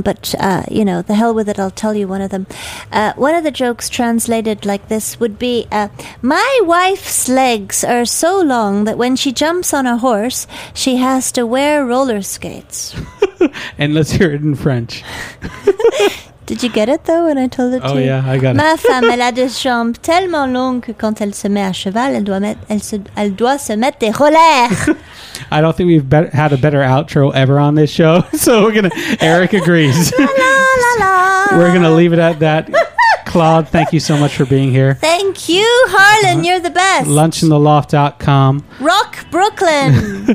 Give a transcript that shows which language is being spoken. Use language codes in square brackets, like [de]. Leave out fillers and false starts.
[en] But, you know, the hell with it, I'll tell you one of them. One of the jokes translated like this would be, my wife's legs are so long that when she jumps on a horse, she has to wear roller skates. And let's hear it in French. Did you get it, though, when I told it to you? Oh, yeah, I got it. [fr] Ma femme, elle a des jambes tellement longues que quand elle se met à cheval, elle doit se mettre des rollers. [en] I don't think we've had a better outro ever on this show, so we're going to... Eric agrees. La, la, la, la. We're going to leave it at that. Claude, thank you so much for being here. Thank you, Harlan. You're the best. Lunchintheloft.com. Rock Brooklyn.